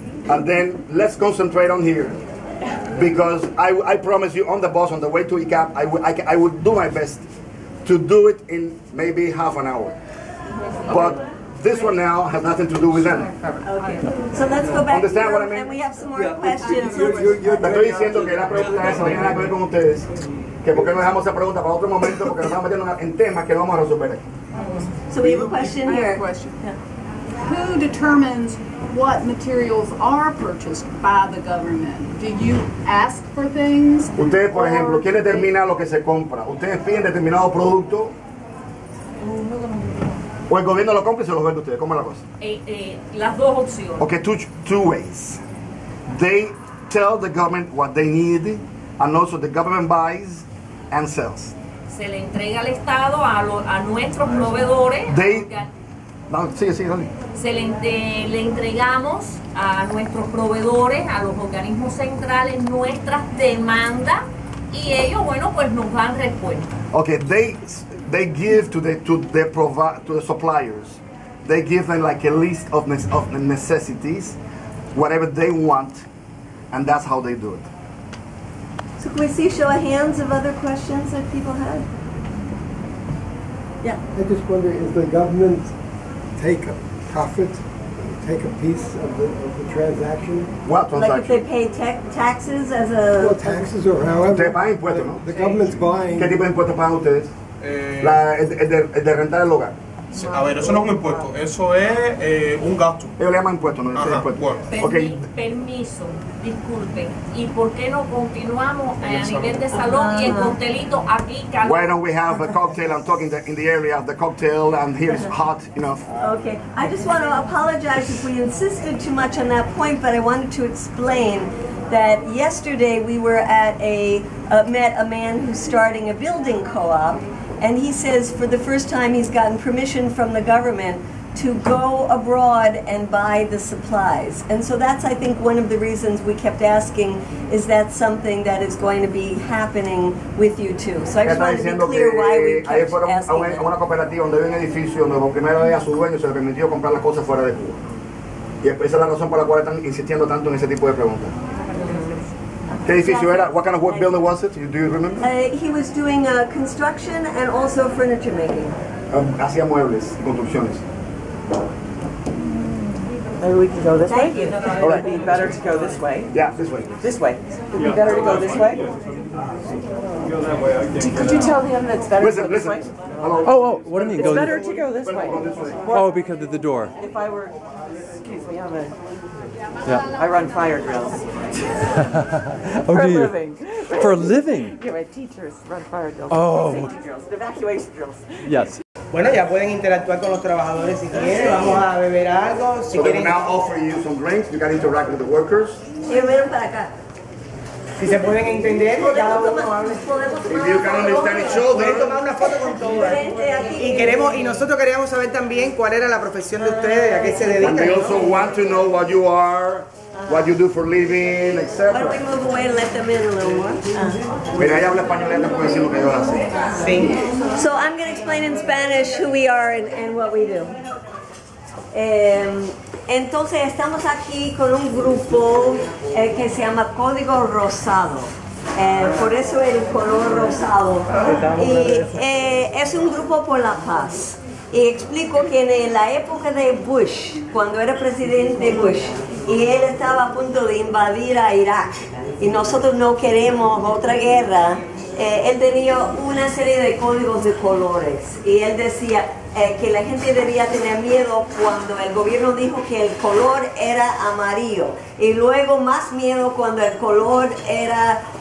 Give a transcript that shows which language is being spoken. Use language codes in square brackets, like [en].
[en] And then let's concentrate on here, because I promise you, on the bus on the way to ICAP, I will do my best to do it in maybe half an hour. But this one now has nothing to do with them. Okay. So let's go back. Understand what I mean? And we have some more questions. [es] Estoy diciendo que la pregunta esa no tiene nada que ver con ustedes. Que por qué no dejamos esa pregunta para otro momento, porque nos estamos metiendo en temas que no vamos a resolver. [en] So we have a question here. I have a question. Yeah. who determines what materials are purchased by the government? Do you ask for things? [es] Ustedes, por ejemplo, ¿quién determina lo que se compra? ¿Ustedes piden determinado producto? ¿O el gobierno lo compra y se lo vende a ustedes? ¿Cómo es la cosa? Las dos opciones. [en] Okay, two ways. They tell the government what they need, and also the government buys and sells. [es] Se le entrega al Estado, a nuestros proveedores. Le entregamos a nuestros proveedores, a los organismos centrales, nuestras demandas, y ellos, bueno, pues nos dan respuesta. [en] Okay, they give to the suppliers. They give them like a list of necessities, whatever they want, and that's how they do it. So can we see show of hands of other questions that people had? Yeah. I just wonder, is the government take a profit, take a piece of the transaction? What transaction? Like if they pay taxes as a... Well, taxes or however. They're buying puerto, no? The government's buying... [es] ¿Qué tipo de impuesto pagan ustedes? El de rentar el hogar. Sí, a ver, eso no es un impuesto, eso es un gasto. Ellos le llaman impuesto, no es un impuesto. Okay. Permiso, disculpe. ¿Y por qué no continuamos a nivel de salón y el coctelito aquí? Calor? [en] Why don't we have a cocktail? I'm talking in the area of the cocktail, and here is hot enough. Okay, I just want to apologize if we insisted too much on that point, but I wanted to explain that yesterday we were at met a man who's starting a building co-op. And he says for the first time he's gotten permission from the government to go abroad and buy the supplies. And so that's, I think, one of the reasons we kept asking, is that something that is going to be happening with you too? So I just wanted to be clear why we kept asking. [es] A una cooperativa donde había un edificio donde por primera vez a su dueño se le permitió comprar las cosas fuera de Cuba. Y esa es la razón por la cual están insistiendo tanto en ese tipo de preguntas. ¿Qué edificio era? [en] What kind of work building was it? Do you remember? He was doing construction and also furniture making. [es] Hacía muebles y construcciones. [en] Maybe we can go this way. All right. It'd be better to go this way. Yeah, this way. This way. It'd be better to go this way. Could you tell him that it's better listen, to go this listen. Way? Listen, listen. Oh, what do you mean? It's better to go this way. Oh, because of the door. If I were... Excuse me, I'm a... Yeah. I run fire drills. Oh, for do you? A living. For a living? Yeah, my teachers run fire drills. Oh. Safety drills. Evacuation drills. Yes. [es] Bueno, ya pueden interactuar con los trabajadores si quieren. Vamos a beber algo. [en] So they will now offer you some drinks. You got to interact with the workers. [es] Vieron para acá. Si se pueden entender, [en] if you can understand each other. [es] Tomar una foto con todos. Y queremos, y nosotros queríamos saber también cuál era la profesión de ustedes, a qué se dedican. [en] And they also want to know what you are, what you do for living, etc. Why don't we move away and let them in a little more? [es] Mira, ella habla español, ella puede decir lo que ellos hacen. Sí. [en] So I'm going to explain in Spanish who we are and what we do. [es] Entonces estamos aquí con un grupo que se llama Código Rosado, por eso el color rosado, y es un grupo por la paz. Y explico que en la época de Bush, cuando era presidente Bush, y él estaba a punto de invadir a Irak, y nosotros no queremos otra guerra, él tenía una serie de códigos de colores, y él decía que la gente debía tener miedo cuando el gobierno dijo que el color era amarillo, y luego más miedo cuando el color era